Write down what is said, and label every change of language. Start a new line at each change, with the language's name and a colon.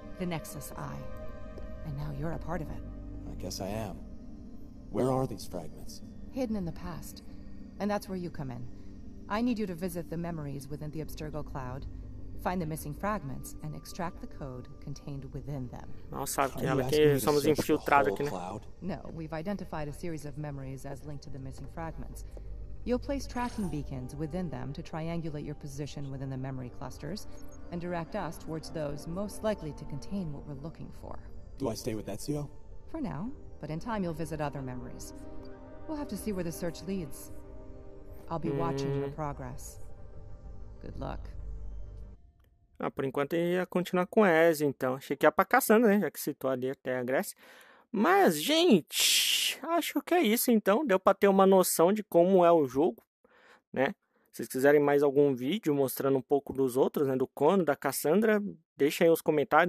English: The Nexus Eye. And now you're a part of it. I guess I am. Where are these fragments? Hidden in the past. And that's where you come in. I need you to visit the memories within the Abstergo Cloud, find the missing fragments, and extract the code contained within them.
Portuguese: Não sabe que ela que somos infiltrados aqui, né?
English: No, we've identified a series of memories as linked to the missing fragments. You'll place tracking beacons within them to triangulate your position within the memory clusters and direct us towards those most likely to contain what we're looking for. Do I stay with Ezio? For now, but in time you'll visit other memories. We'll have to see where the search leads. I'll be watching your progress. Good luck.
Portuguese: Ah, por enquanto eu ia continuar com Ezio, então. Achei que ia pra caçando, né? Já que citou ali até a Grécia. Mas, gente, acho que é isso, então. Deu pra ter uma noção de como é o jogo, né? Se vocês quiserem mais algum vídeo mostrando um pouco dos outros, né? Do Conno, da Cassandra, deixa aí os comentários.